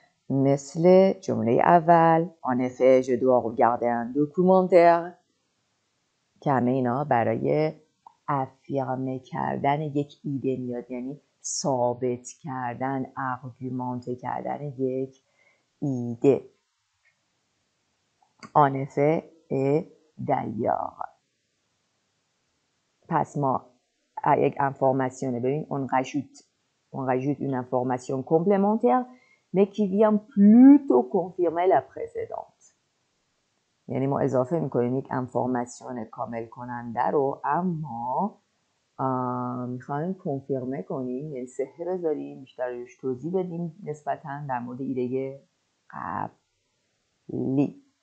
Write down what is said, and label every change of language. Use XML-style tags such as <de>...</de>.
<fa>مثل جمله اول</fa> <fr>en effet je dois regarder un documentaire،</fr> <fa>که همه اینا برای افیرمه کردن یک ایده میاد، یعنی ثابت کردن، ارگومنت کردن یک ایده.</fa> <fr>en effet et d'ailleurs،</fr> <fa>پس ما یک انفورماسیون ببین</fa> <fr>on rajoute une information complémentaire mais qui vient plutôt confirmer la précédente.</fr> <fa>یعنی ما اضافه میکنیم یک انفورماسیون کامل کننده رو، اما میخواییم کنفیرمه کنیم، یعنی صحه بذاریم، بیشتر روش توضیح بدیم نسبتاً در مورد ایده قبلی.</fa>